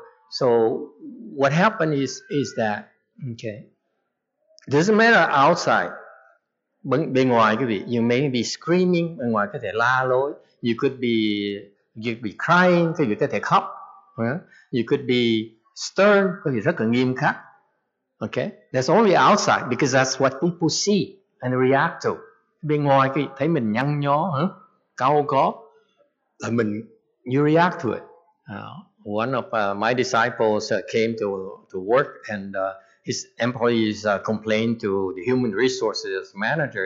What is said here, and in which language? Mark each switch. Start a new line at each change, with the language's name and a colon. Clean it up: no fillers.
English: So what happened is that, okay, doesn't matter outside,
Vietnamese: bên ngoài quý vị,
English: you may be screaming,
Vietnamese: bên ngoài có thể la lối,
English: you could be crying,
Vietnamese: quý vị có thể khóc,
English: you could be stern,
Vietnamese: quý vị rất là nghiêm khắc,
English: okay, that's only outside, because that's what people see and react to.
Vietnamese: Bên ngoài quý vị thấy mình nhăn nhó, cau có, là mình,
English: you react to it. One of my disciples came to work, and his employees complained to the human resources manager.